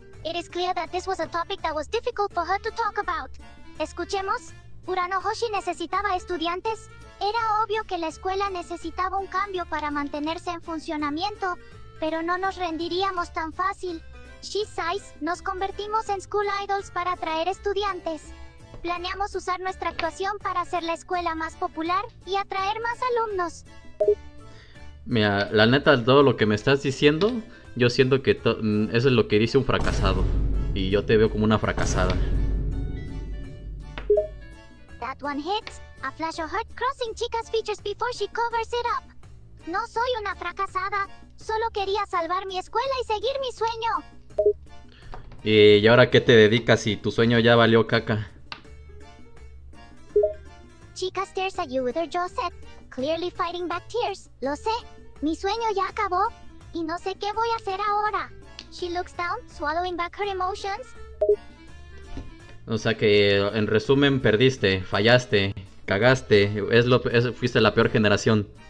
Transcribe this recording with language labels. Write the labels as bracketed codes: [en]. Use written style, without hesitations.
[en] It is clear that this was a topic that was difficult for her to talk about. [es] Escuchemos, Uranohoshi necesitaba estudiantes. Era obvio que la escuela necesitaba un cambio para mantenerse en funcionamiento, pero no nos rendiríamos tan fácil. [en] She sighs, [es] nos convertimos en School Idols para atraer estudiantes. Planeamos usar nuestra actuación para hacer la escuela más popular y atraer más alumnos. Mira, la neta, todo lo que me estás diciendo, yo siento que eso es lo que dice un fracasado. Y yo te veo como una fracasada. [en] That one hits. A flash of heart crossing chica's features before she covers it up. [es] No soy una fracasada. Solo quería salvar mi escuela y seguir mi sueño. ¿Y ahora qué te dedicas si tu sueño ya valió caca? [en] Chica stares at you with her jaw set, clearly fighting back tears. [es] Lo sé. Mi sueño ya acabó. Y no sé qué voy a hacer ahora. [en] She looks down, swallowing back her emotions. [es] O sea que, en resumen, perdiste, fallaste, cagaste, fuiste la peor generación.